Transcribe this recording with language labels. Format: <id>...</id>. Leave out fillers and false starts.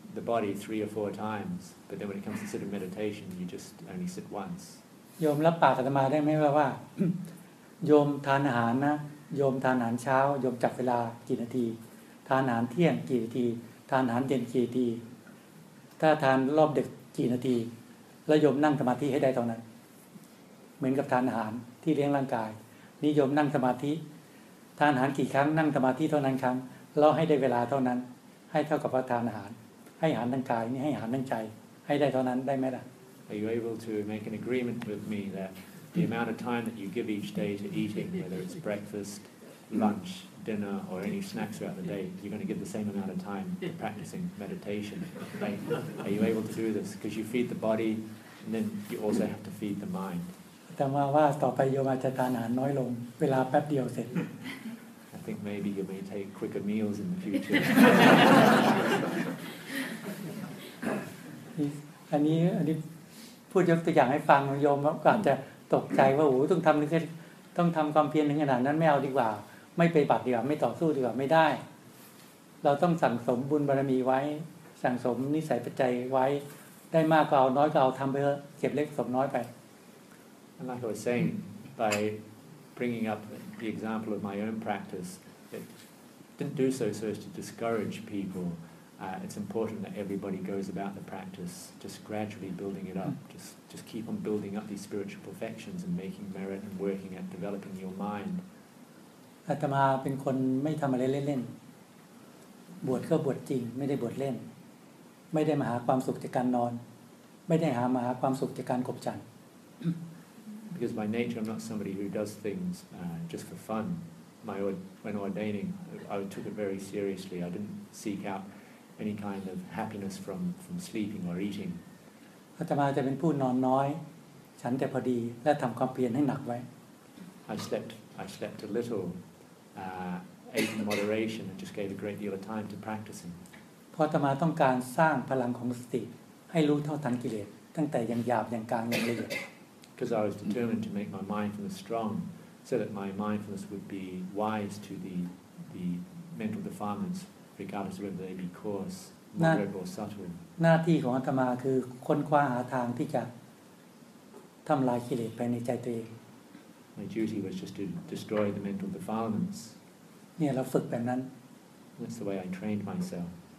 <en>the body 3 or 4 times but then when it comes to sitting meditation you just only sit once</en> <th>โยมรับปากอาตมาได้มั้ยว่าโยมทานอาหารนะโยมทานอาหารเช้าโยมจับเวลากี่นาทีทานอาหารเที่ยงกี่นาทีทานอาหารเย็นกี่นาทีถ้าทานรอบดึกกี่นาทีแล้วโยมนั่งสมาธิให้ได้เท่านั้นเหมือนกับทานอาหารที่เลี้ยงร่างกายนี่โยมนั่งสมาธิทานอาหารกี่ครั้งนั่งสมาธิเท่านั้นครั้งเราให้ได้เวลาเท่านั้นให้เท่ากับว่าทานอาหารให้อาหารทางกายนี่ให้อาหารทางใจให้ได้เท่านั้นได้มั้ยล่ะ</th> <en>Are you able to make an agreement with me that the amount of time that you give each day to eating whether it's breakfast lunch dinner or any snacks throughout the day you're going to give the same amount of time to practicing meditation right? Are you able to do this because you feed the body and then you also have to feed the mind</en> <th>แต่ว่าต่อไปโยมอาจจะทานอาหารน้อยลงเวลาแป๊บเดียวเสร็จ</th> <en>I think maybe you may take quicker meals in the future.</en> <th>อันนี้พูดยกตัวอย่างให้ฟังโยมก็อาจจะตกใจว่าโอ้ต้องทำความเพียรถึงขนาดนั้นไม่เอาดีกว่าไม่ไปปฏิบัติดีกว่าไม่ต่อสู้ดีกว่าไม่ได้ เราต้องสั่งสมบุญบารมีไว้สั่งสมนิสัยปัจจัยไว้ได้มากก็เอาน้อยก็เอาทำไปเก็บเล็กสมน้อยไป</th> <en>And like I was saying by bringing up the example of my own practice it didn't do so so as to discourage people it's important that everybody goes about the practice just gradually building it up just keep on building up these spiritual perfections and making merit and working at developing your mind</en> <th>อาตมาเป็นคนไม่ทำอะไรเล่นบวชก็บวชจริงไม่ได้บวชเล่นไม่ได้มาหาความสุขจากการนอนไม่ได้หามาหาความสุขจากการกบฉัน</th> <en>Because by nature I'm not somebody who does things just for fun when ordaining I took it very seriously I didn't seek out any kind of happiness from sleeping or eating</en> <th>อาตมาจะเป็นผู้นอนน้อยฉันแต่พอดีและทำความเพียรให้หนักไว้</th> <en>I slept a little ate in moderation and just gave a great deal of time to practicing.</en> <th>พออาตมาต้องการสร้างพลังของสติให้รู้เท่าทันกิเลสตั้งแต่ยังหยาบยังกลางยังละเอียด</th> <en>Because I was determined to make my mindfulness strong so that my mindfulness would be wise to the mental defilements regardless of whether they be coarse, moderate or subtle.</en> <th>หน้าที่ของอาตมาคือค้นคว้าหาทางที่จะทำลายกิเลสภายในใจตัวเอง</th> <en>My duty was just to destroy the mental defilements.</en> <th>เนี่ยเราฝึกแบบนั้น</th> <en>That's the way I trained myself.</en>